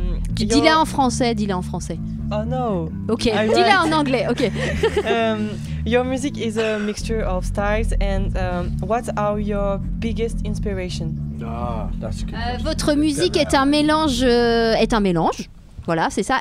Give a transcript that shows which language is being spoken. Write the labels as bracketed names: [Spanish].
[French] Dis-la en français, dis-la en français. [English] Oh no. [French] Ok, dis-la en anglais, ok. [English] Your music is a mixture of styles and what are your biggest inspiration? Ah, that's good. [French] Votre musique est un mélange, voilà, c'est ça.